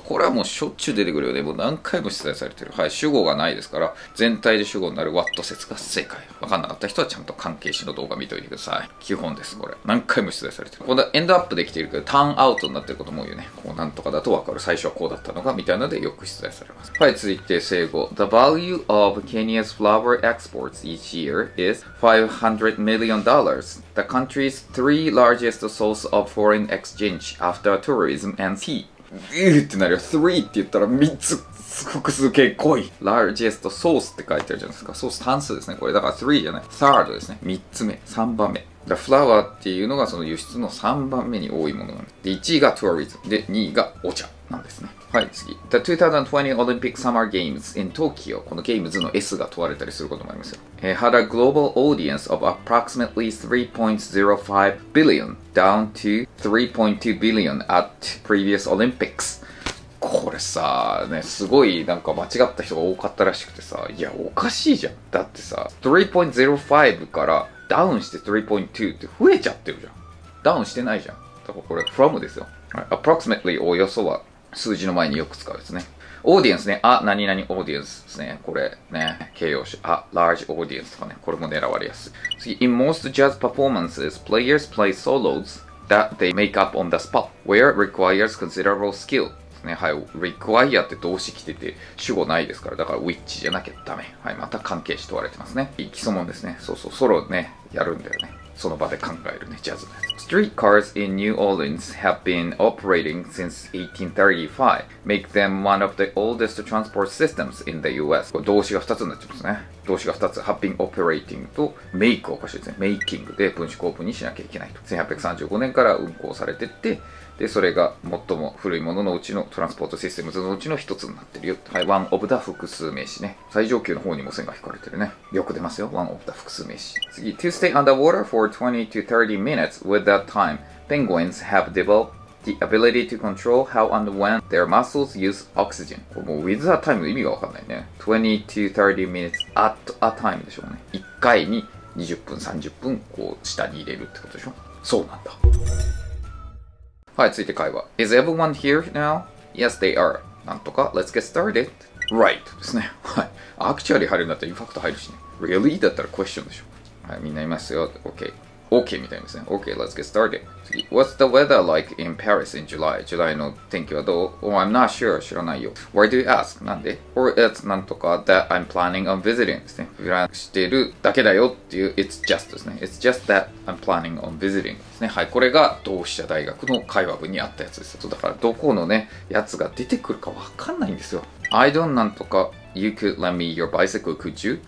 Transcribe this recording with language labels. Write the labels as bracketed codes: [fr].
[ja] これはもうしょっちゅう出てくるよね。もう何回も出題されてる。はい。主語がないですから、全体で主語になる what 説が正解。わかんなかった人はちゃんと関係詞の動画見ておいてください。基本です、これ。何回も出題されてる。この end up できているけど、turn out になってることも多いよね。こうなんとかだとわかる。最初はこうだったのかみたいなのでよく出題されます。はい、続いて、正語。 [en] The value of Kenya's flower exports each year is $500 million. The country's three largest source of foreign exchange after tourism. And tea. ビューってなるよ。 [ja] 3って言ったら3つすごく数形濃い。 Largest source って書いてあるじゃないですか。ソース単数ですね。これだから3じゃない。3rd ですね。3つ目。3番目。 The flower っていうのがその輸出の3番目に多いものなんです。で、1位が tourism。で、2位がお茶なんですね。 [en] はい、次。The 2020 Olympic Summer Games in Tokyo. [ja] このゲームズの S が問われたりすることもありますよ。 [en] Had a global audience of approximately 3.05 billion down to 3.2 billion at previous Olympics. [ja] これさ、ね、すごいなんか間違った人が多かったらしくてさ、いや、おかしいじゃん。だってさ、3.05 からダウンして3.2 って増えちゃってるじゃん。ダウンしてないじゃん。だからこれ、from ですよ。Approximately、およそは、数字の前によく使うですね。オーディエンスね。あ、何々オーディエンスですね。これね。形容詞。あ、large audience とかね。これも狙われやすい。 [en] 次、In most jazz performances, players play solos that they make up on the spot, where requires considerable skill. [ja] ね、はい、require って動詞来てて、主語ないですから、だから which じゃなきゃダメ。はい、また関係詞問われてますね。基礎問ですね。そうそう、ソロね、やるんだよね。その場で考えるね、ジャズね。 [en] Streetcars in New Orleans have been operating since 1835, make them one of the oldest transport systems in the US. [ja] これ動詞が2つになっちゃいますね。動詞が2つ、have been operating と make おかしいですね。making で分子構文にしなきゃいけないと。 1835年から運行されてって、で、それが最も古いもののうちの、トランスポートシステムズのうちの一つになってるよ。はい、ワンオブダ複数名詞ね。最上級の方にも線が引かれてるね。よく出ますよ、ワンオブダ複数名詞。 [en] 次、To stay underwater for 20 to 30 minutes with that time, penguins have developed the ability to control how and when their muscles use oxygen. [ja] これもう with that time の意味がわかんないね。20 to 30 minutes at a time でしょうね。 1回に20分、30分、こう、下に入れるってことでしょ。そうなんだ。はい、続いて会話。 [en] Is everyone here now? Yes, they are. なんとか、Let's get started. Right. ですね。はい。 [ja] Actually 入るんだったら Infact 入るしね。Really? だったら Question でしょ。はい、みんないますよ。Okay. Okay みたいですね。 [en] Okay, let's get started. [ja] 次。 [en] What's the weather like in Paris in July? [ja] July の天気はどう? [en] Oh, I'm not sure. [ja] 知らないよ。 [en] Why do you ask? [ja] なんで? [en] Or it's なんとか that I'm planning on visiting. [ja] ですね。プランしてるだけだよっていう It's just ですね。 [en] It's just that I'm planning on visiting. [ja] ね、はい、これが同志社大学の会話文にあったやつです。だからどこのねやつが出てくるかわかんないんですよ。 [en] I don't なんとか You could lend me your bicycle, could you?